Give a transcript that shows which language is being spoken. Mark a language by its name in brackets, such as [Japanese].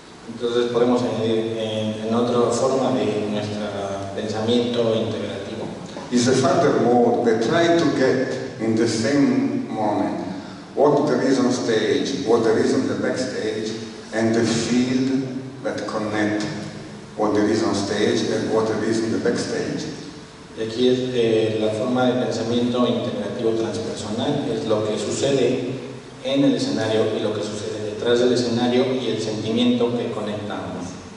[Spanish] Entonces podemos añadir en otra forma de nuestro pensamiento integrativo. [English] Is a further mode that try to get in the same moment what there is on stage, what there is on the backstage, and the field that connect what there is on stage and what there is in the backstage. [Spanish] Y aquí es la forma de pensamiento integrativo transpersonal, es lo que sucede en el escenario y lo que sucede detrás del escenario y el sentimiento que conectamos.